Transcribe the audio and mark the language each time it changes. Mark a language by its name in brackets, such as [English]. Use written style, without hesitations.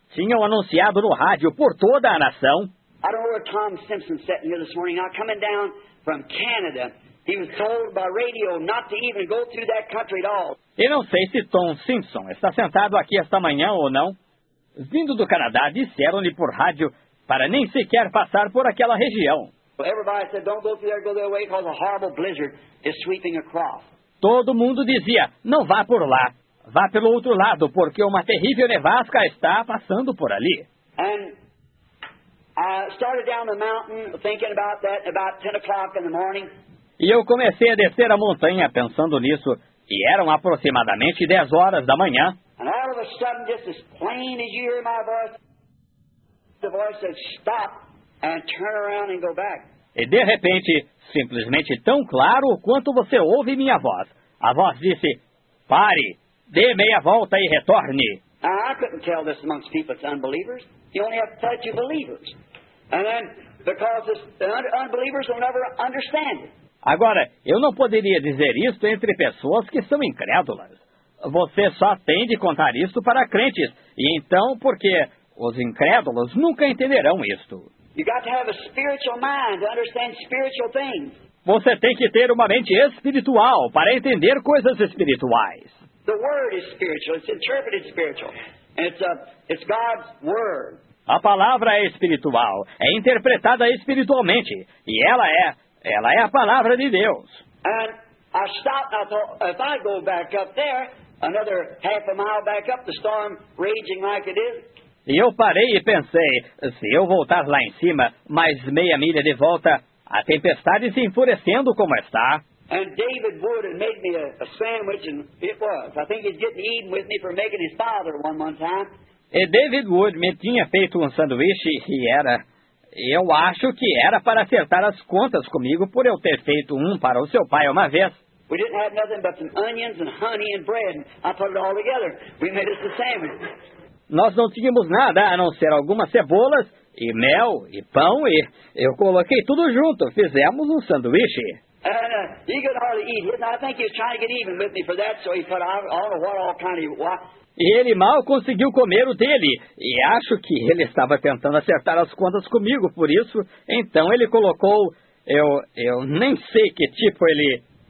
[Portuguese] Tinham anunciado no rádio por toda a nação. [English] I don't know where Tom Simpson sat here this morning. I'm coming down from Canada. He was told by radio not to even go through that country at all. [Portuguese] Eu não sei se Tom Simpson está sentado aqui esta manhã ou não. Vindo do Canadá, disseram-lhe por rádio para nem sequer passar por aquela região. [English] Everybody said, don't go through there, go that way, because a horrible blizzard is sweeping across. [Portuguese] Todo mundo dizia, não vá por lá, vá pelo outro lado, porque uma terrível nevasca está passando por ali. [English] And I started down the mountain thinking about that about 10 o'clock in the morning. [Portuguese] E eu comecei a descer a montanha pensando nisso, e eram aproximadamente 10 horas da manhã. [English] And all of a sudden, just as plain as you hear my voice, the voice said, stop and turn around and go back. [Portuguese] E de repente, simplesmente tão claro quanto você ouve minha voz, a voz disse, pare, dê meia volta e retorne. [English] Now, I couldn't tell this amongst people that's unbelievers. You only have to touch your believers. And then, because the unbelievers will never understand it. [Portuguese] Agora, eu não poderia dizer isto entre pessoas que são incrédulas. Você só tem de contar isto para crentes. E então, por quê? Os incrédulos nunca entenderão isto. [English] You got to have a spiritual mind to understand spiritual things. [Portuguese] Você tem que ter uma mente espiritual para entender coisas espirituais. [English] The word is spiritual. It's interpreted spiritual. And it's God's word. [Portuguese] A palavra é espiritual. É interpretada espiritualmente. E ela é... ela é a palavra de Deus. [English] And I stopped and I thought, if I go back up there, another half a mile back up, the storm raging like it is. [Portuguese] E eu parei e pensei, se eu voltar lá em cima, mais meia milha de volta, a tempestade se enfurecendo como está. [English] And David Wood had made me a sandwich, and it was. I think he's getting even with me for making his father one time. [Portuguese] E David Wood me tinha feito um sanduíche e era... eu acho que era para acertar as contas comigo por eu ter feito um para o seu pai uma vez. [English] We didn't have nothing but some onions and honey and bread. I put it all together. We made us a sandwich. [Portuguese] Nós não tínhamos nada a não ser algumas cebolas e mel e pão e eu coloquei tudo junto. Fizemos um sanduíche. [English] And he could hardly eat. I think he was trying to get even with me for that, so he put out all of what all kind of... what. [Portuguese] E ele mal conseguiu comer o dele. E acho que ele estava tentando acertar as contas comigo, por isso. Então ele colocou... Eu nem sei que tipo ele...